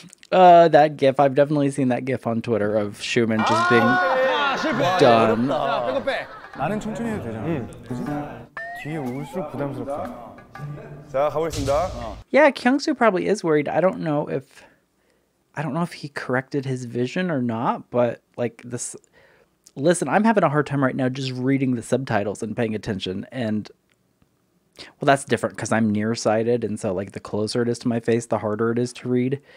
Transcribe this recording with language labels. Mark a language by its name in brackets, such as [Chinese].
[English] That gif I've definitely seen that gif on Twitter of Schumann just being done [Korean] 자 빼고 빼 나는 청춘이 되잖아 그지 뒤에 올수록 부담스럽다 자 가보겠습니다. [English] Yeah, Kyungsoo probably is worried. I don't know if he corrected his vision or not. But like this, listen, I'm having a hard time right now just reading the subtitles and paying attention. And well, that's different because I'm nearsighted, and so like the closer it is to my face, the harder it is to read.